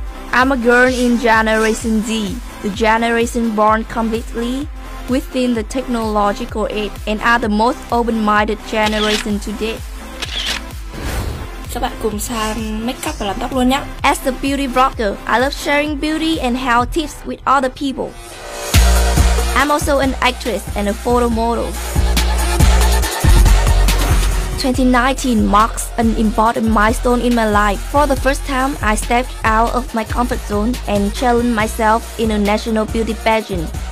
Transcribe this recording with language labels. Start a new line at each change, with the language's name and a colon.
English: I'm a girl in Generation Z, the generation born completely within the technological age and are the most open-minded generation today.
Vietnamese: Các bạn cùng sang makeup và làm tóc luôn nhé.
English: As a beauty blogger, I love sharing beauty and health tips with other people. I'm also an actress and a photo model. 2019 marks an important milestone in my life. For the first time, I stepped out of my comfort zone and challenged myself in a national beauty pageant.